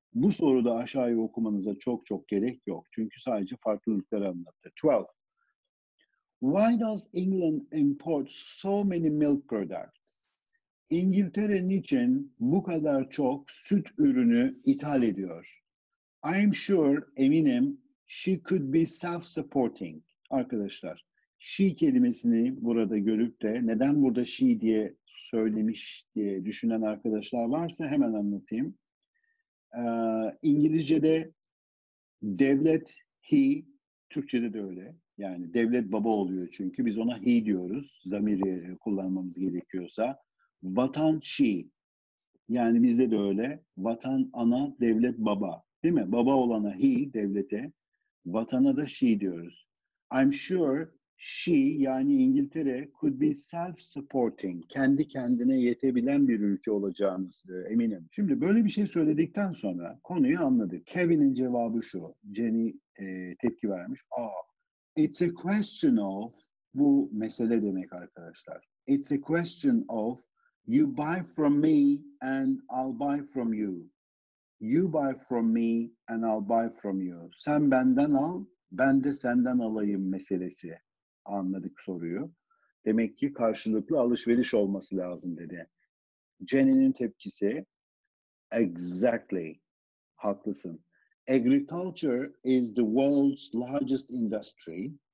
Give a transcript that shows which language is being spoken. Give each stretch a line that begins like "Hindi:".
Turkish: Bu soruda aşağıya okumanıza çok çok gerek yok. Çünkü sadece farklılıkları anlattı. 12.
English: Why does England import so many milk products?
Turkish: İngiltere niçin bu kadar çok süt ürünü ithal ediyor?
English: I am sure,
Turkish: eminim,
English: she could be self-supporting.
Turkish: Arkadaşlar, she kelimesini burada görüp de neden burada she diye söylemiş diye düşünen arkadaşlar varsa hemen anlatayım. İngilizce'de devlet he, Türkçe'de de öyle. Yani devlet baba oluyor çünkü biz ona he diyoruz. Zamiri kullanmamız gerekiyorsa. Vatan şi. Yani bizde de öyle. Vatan ana, devlet baba. Değil mi? Baba olana he, devlete. Vatana da she diyoruz.
English: I'm sure she,
Turkish: yani İngiltere,
English: could be self-supporting.
Turkish: Kendi kendine yetebilen bir ülke olacağımızı eminim. Şimdi böyle bir şey söyledikten sonra konuyu anladık. Kevin'in cevabı şu. Jenny tepki vermiş. Aa,
English: it's a question of,
Turkish: bu mesele demek arkadaşlar.
English: It's a question of you buy from me and I'll buy from you. You buy from me and I'll buy from you.
Turkish: Sen benden al, ben de senden alayım meselesi. Anladık soruyu. Demek ki karşılıklı alışveriş olması lazım dedi. Jenny'nin tepkisi, exactly. Haklısın.
English: Agriculture is the world's largest industry.